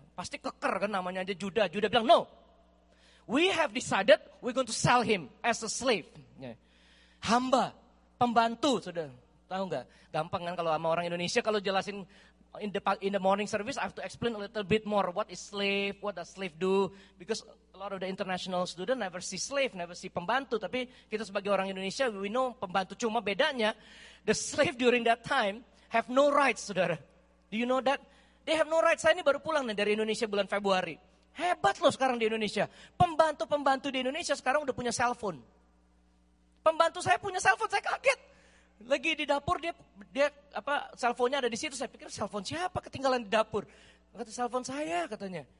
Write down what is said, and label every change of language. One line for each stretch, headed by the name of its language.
Indonesian: Pasti keker kan namanya aja Judah. Judah bilang,
English: no. We have decided we're going to sell him as a slave.
Indonesian: Hamba, pembantu, sudah. Tahu enggak? Gampang kan kalau sama orang Indonesia, kalau jelasin
English: in the morning service, I have to explain a little bit more what is slave, what does slave do. Because a lot of the international student never see slave, never see pembantu.
Indonesian: Tapi kita sebagai orang Indonesia,
English: we know
Indonesian: pembantu. Cuma bedanya,
English: the slave during that time have no rights, saudara. Do you know that? They have no rights.
Indonesian: Saya ini baru pulang nih, dari Indonesia bulan Februari. Hebat loh sekarang di Indonesia. Pembantu-pembantu di Indonesia sekarang udah punya cell phone. Pembantu saya punya cell phone, saya kaget. Lagi di dapur dia cell phone-nya ada di situ. Saya pikir cell phone siapa ketinggalan di dapur. Kata cell phone saya, katanya.